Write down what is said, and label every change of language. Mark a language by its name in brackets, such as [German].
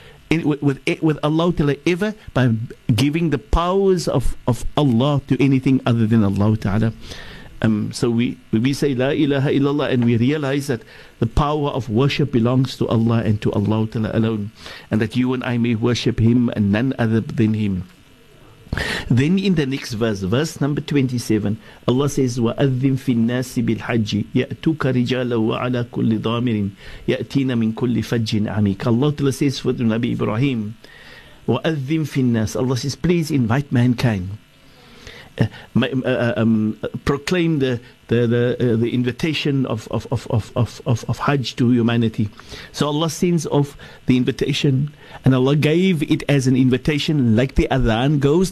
[English] With Allah Ta'ala ever, by giving the powers of Allah to anything other than Allah Ta'ala. So we say La ilaha illallah and we realize that the power of worship belongs to Allah and to Allah Ta'ala alone, and that you and I may worship Him and none other than Him. Then in the next verse number 27, Allah says, [Arabic] وَأَذِّنْ فِي النَّاسِ بِالْحَجِّ يَأْتُوكَ رِجَالًا وَعَلَى كُلِّ ضَامِرٍ يَأْتِينَ مِنْ كُلِّ فَجٍّ عَمِيكَ. [English] Allah says for Nabi Ibrahim, [Arabic] وَأَذِّنْ فِي النَّاسِ, [English] Allah says, please invite mankind. Proclaim the invitation of Hajj to humanity. So Allah sends off the invitation, and Allah gave it as an invitation, like the Adhan goes.